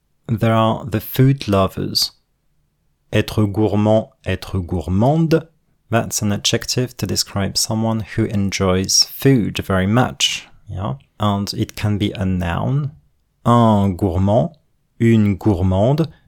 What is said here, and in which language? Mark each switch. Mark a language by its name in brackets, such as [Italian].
[English] There are the food lovers. [French] Être gourmand, être gourmande. [English] That's an adjective to describe someone who enjoys food very much. Yeah. And it can be a noun. [French] Un gourmand, une gourmande.